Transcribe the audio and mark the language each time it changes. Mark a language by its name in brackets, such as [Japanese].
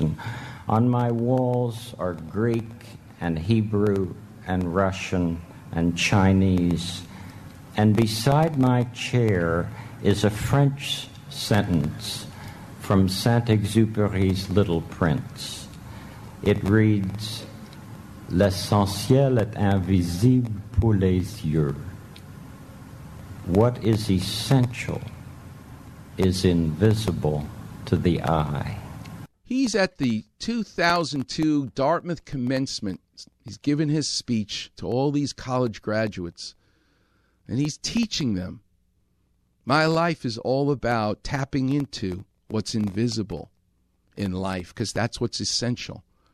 [English] And on my walls are Greek and Hebrew and Russian and Chinese. And beside my chair is a French sentence from Saint-Exupéry's Little Prince. It reads, [French] "L'essentiel est invisible pour les yeux." [English] What is essential is invisible to the eye. He's at the 2002 Dartmouth commencement. He's given his speech to all these college graduates, and he's teaching them, my life is all about tapping into what's invisible in life, because that's what's essential.